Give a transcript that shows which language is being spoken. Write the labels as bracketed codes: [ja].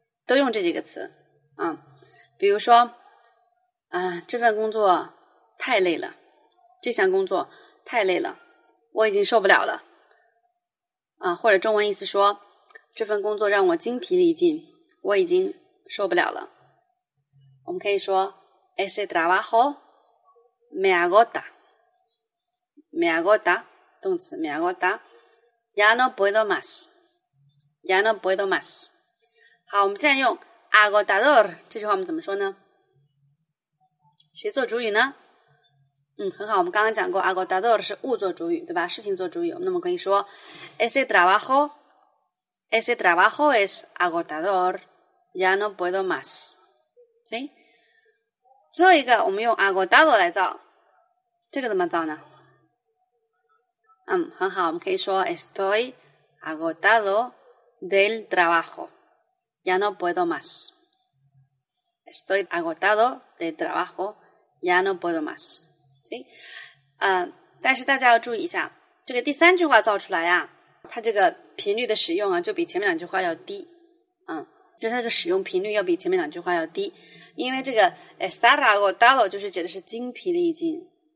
[zh] 都用这几个词啊、嗯。比如说啊，这份工作太累了，这项工作太累了，我已经受不了了啊。或者中文意思说，这份工作让我精疲力尽，我已经受不了了。我们可以说 [es] ese trabajo me agota, me agota, [zh] 动词 [es] me agota, ya no puedo más, ya no puedo más。 [zh] 好，我们现在用 agotador 这句话我们怎么说呢？谁做主语呢？嗯，很好，我们刚刚讲过 agotador 是物做主语，对吧？事情做主语。那么可以说 [es] ese trabajo es agotador, ya no puedo más。 ¿Sí? [zh] 最后一个我们用 agotado 来造，这个怎么造呢？嗯，很好，我们可以说 [es] estoy agotado del trabajo,Ya no puedo más. Estoy agotado de trabajo. Ya no puedo más. ¿Sí? [zh] 但是大家要注意一下，这个第三句话造出来啊，它这个频率的使用啊，就比前面两句话要低。嗯，就它这个使用频率要比前面两句话要低，因为这个 [es] estar agotado [zh] 就是指的是精疲力尽。